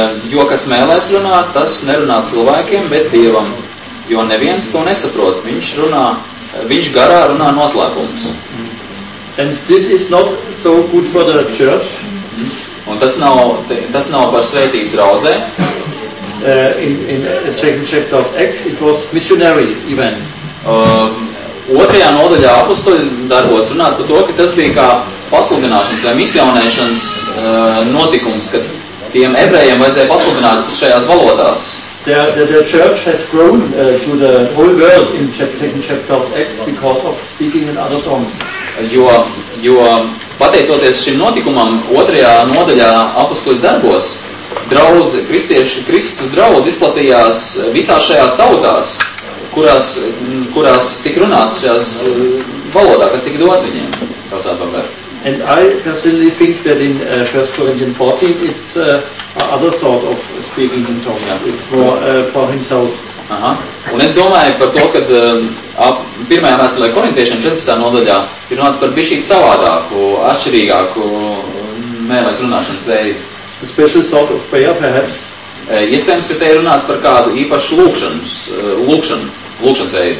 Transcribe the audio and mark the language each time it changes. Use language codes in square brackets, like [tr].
[lv] Jo kas mēlēs runā, tas nerunā cilvēkiem, bet Dievam. Jo neviens to nesaprot. Viņš runā, viņš garā runā noslēpumus. [en] And this is not so good for the church. [lv] Un tas nav par svētību draudzē. [en] In the second chapter of Acts, it was missionary event. [lv] Otrajā nodaļā apustuļu darbos runāts par to, ka tas bija kā pasludināšanas vai misionēšanas notikums, kad tiem ebrejiem vajadzēja pasludināt šajās valodās. [en] The church has grown to the whole world in chapter of Acts because of speaking in other tongues. [lv] Jo pateicoties šim notikumam, otrajā nodaļā apustuļu darbos, draudze, kristieši, Kristus draudze izplatījās visās šajās tautās. Kurās tika runāts šajās valodā, kas tika dots viņiem, savsāt papēr. [en] And I personally think that in 1 Corinthians 14 it's other sort of speaking in tongues. Yeah. It's more for himself. Aha. [lv] Un es domāju par to, ka pirmajā vēstulē korintiešiem 14. Nodaļā ir runāts par bišķīt savādāku, atšķirīgāku mēlēs runāšanas veidu. [en] A special sort of prayer, perhaps. [lv] Iespējams, ka te ir runāts par kādu īpašu lūkšanas veidu.